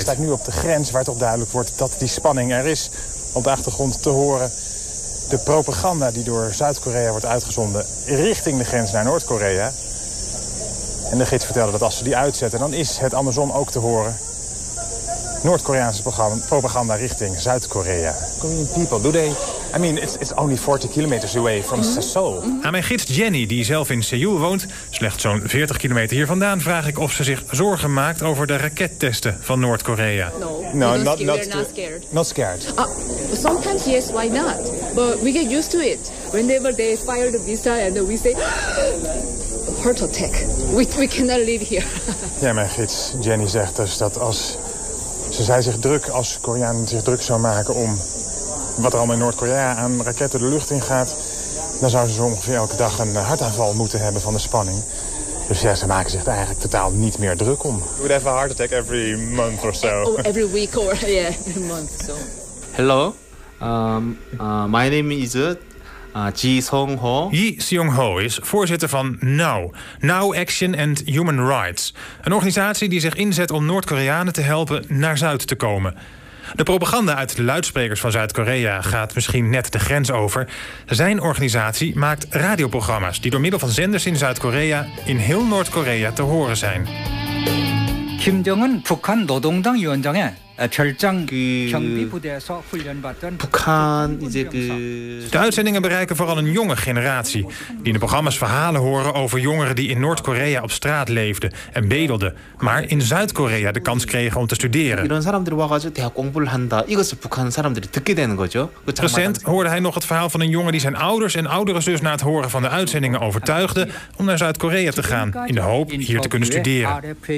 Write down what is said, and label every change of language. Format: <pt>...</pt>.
<nl>Ik sta nu op de grens waar toch duidelijk wordt dat die spanning er is. Op de achtergrond te horen de propaganda die door Zuid-Korea wordt uitgezonden richting de grens naar Noord-Korea. En de gids vertelde dat als ze die uitzetten, dan is het andersom ook te horen. Noord-Koreaanse propaganda richting Zuid-Korea.</nl> <en>Korean people, do they? I mean, it's only 40 kilometers away from Seoul.</en> <nl>Aan mijn gids Jenny, die zelf in Seoul woont, slechts zo'n 40 kilometer hier vandaan, vraag ik of ze zich zorgen maakt over de rakettesten van Noord-Korea.</nl> <en>No, not scared. Sometimes yes, why not? But we get used to it. Whenever they fire the missile and we say heart attack. We cannot live here.</en> <nl>Ja, mijn gids Jenny zegt dus dat als ze zei zich druk als Koreanen zich druk zou maken om wat er allemaal in Noord-Korea aan raketten de lucht in gaat, dan zouden ze ongeveer elke dag een hartaanval moeten hebben van de spanning. Dus ja, ze maken zich er eigenlijk totaal niet meer druk om.</nl> <en>We would have a heart attack every month or so. Oh, every week or, yeah, every month. So. Hello, my name is Ji Seong-ho.</en> <nl>Ji Seong-ho is voorzitter van NOW, Now Action and Human Rights. Een organisatie die zich inzet om Noord-Koreanen te helpen naar Zuid te komen. De propaganda uit de luidsprekers van Zuid-Korea gaat misschien net de grens over. Zijn organisatie maakt radioprogramma's die door middel van zenders in Zuid-Korea in heel Noord-Korea te horen zijn.</nl> <ko>Kim Jong-un, 북한 노동당 위원장의 별장 경비부대에서 훈련받던 북한 이제 그</ko> <nl>de uitzendingen bereiken vooral een jonge generatie die in de programma's verhalen horen over jongeren die in Noord-Korea op straat leefden en bedelden, maar in Zuid-Korea de kans kregen om te studeren.</nl> <ko>이런 사람들이 와가지고 대학 공부를 한다. 이것을 북한 사람들이 듣게 되는 거죠.</ko> <nl>Recent hoorde hij nog het verhaal van een jongen die zijn ouders en oudere zus na het horen van de uitzendingen overtuigde om naar Zuid-Korea te gaan in de hoop hier te kunnen studeren.</nl>